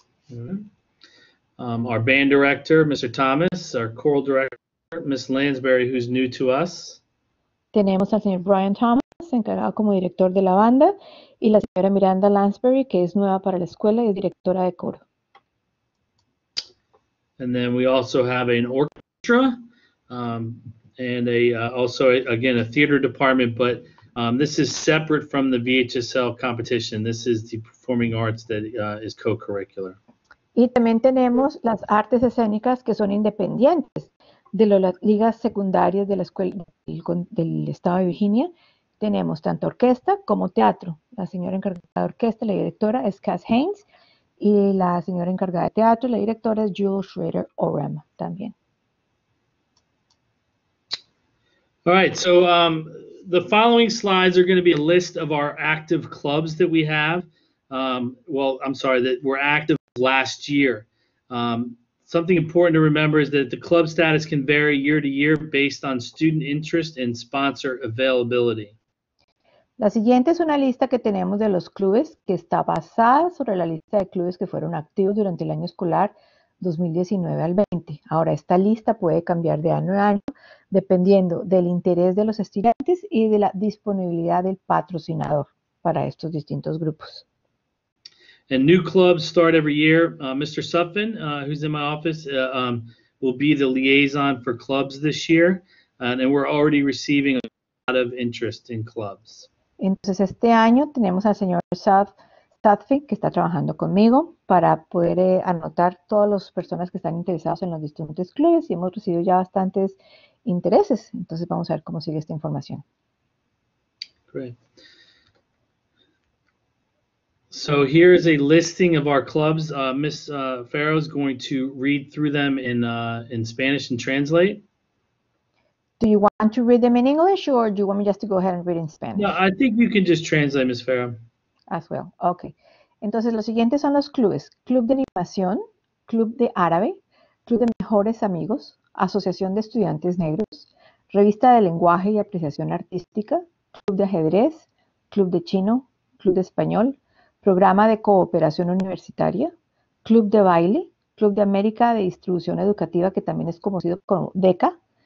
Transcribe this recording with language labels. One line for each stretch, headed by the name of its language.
English: Mm-hmm. Our band director, Mr. Thomas, our choral director, Ms. Lansbury, who's new to us.
Spanish: Tenemos al señor Brian Thomas, encargado como director de la banda, y la señora Miranda Lansbury, que es nueva para la escuela y es directora de coro.
English: And then we also have an orchestra, and a also, again, a theater department, but this is separate from the VHSL competition. This is the performing arts that is co-curricular.
Spanish: Y también tenemos las artes escénicas, que son independientes de las ligas secundarias de la escuela del estado de Virginia. Tenemos tanto orquesta como teatro. La señora encargada de orquesta, la directora, es Cass Haynes, y la señora encargada de teatro, la directora, es Jules Schrader Orem también.
English: All right, so the following slides are going to be a list of our active clubs that we have. Well, I'm sorry, that were active last year. Something important to remember is that the club status can vary year to year based on student interest and sponsor availability.
Spanish: La siguiente es una lista que tenemos de los clubes que está basada sobre la lista de clubes que fueron activos durante el año escolar 2019 al 20. Ahora, esta lista puede cambiar de año a año dependiendo del interés de los estudiantes y de la disponibilidad del patrocinador para estos distintos grupos.
English: And new clubs start every year. Mr. Suffin, who's in my office, will be the liaison for clubs this year. And we're already receiving a lot of interest in clubs.
Spanish: Entonces, este año tenemos al señor Suffin, que está trabajando conmigo, para poder anotar todas las personas que están interesadas en los distintos clubes. Y hemos recibido ya bastantes intereses. Entonces, vamos a ver cómo sigue esta información.
English: Great. So here is a listing of our clubs. Miss Farrow is going to read through them in Spanish and translate. Do you want to read them in English, or do you want me just to go ahead and read in Spanish? No, I think you can just translate, Miss Farrow. As well. Okay.
Spanish: Entonces, los siguientes son los clubes: Club de Animación, Club de Árabe, Club de Mejores Amigos, Asociación de Estudiantes Negros, Revista de Lenguaje y Apreciación Artística, Club de Ajedrez, Club de Chino, Club de Español, Programa de Cooperación Universitaria, Club de Baile, Club de América de Distribución Educativa, que también es conocido como DECA,